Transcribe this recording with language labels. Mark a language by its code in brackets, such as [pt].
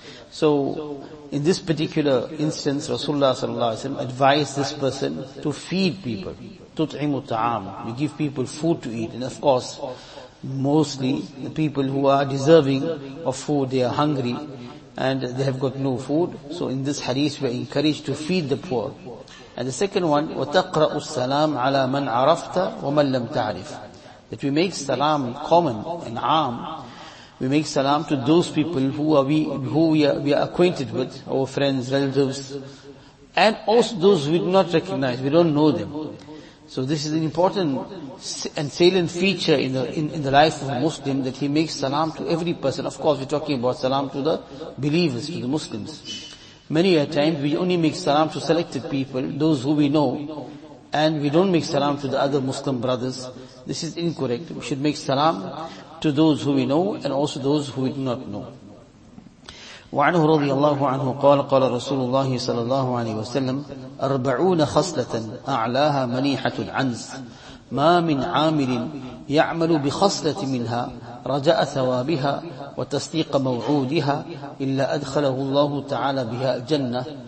[en] So in this particular instance, Rasulullah sallallahu alayhi wa sallam advised this person to feed people. Tut'imu ta'am. You give people food to eat. And of course, mostly the people who are deserving of food, they are hungry and they have got no food. So in this hadith, we are encouraged to feed the poor. And the second one, [ar] وَتَقْرَأُ السَّلَامُ عَلَى مَنْ عَرَفْتَ وَمَنْ لَمْ تَعْرِفُ. [en] That we make salam common and arm. We make salam to those people who we are acquainted with, our friends, relatives, and also those we do not recognize, we don't know them. So this is an important and salient feature in the life of a Muslim, that he makes salam to every person. Of course, we're talking about salam to the believers, to the Muslims. Many a time we only make salam to selected people, those who we know, and we don't make salam to the other Muslim brothers. This is incorrect. We should make salam to those who we know and also those who we do not know. [ar] وعنه رضي الله عنه قال قال رسول الله صلى الله عليه وسلم 40 خصلة أعلاها منيحة العنز ما من عامل يعمل بخصلة منها رجاء ثوابها وتصديق موعودها إلا أدخله الله تعالى بها الجنة.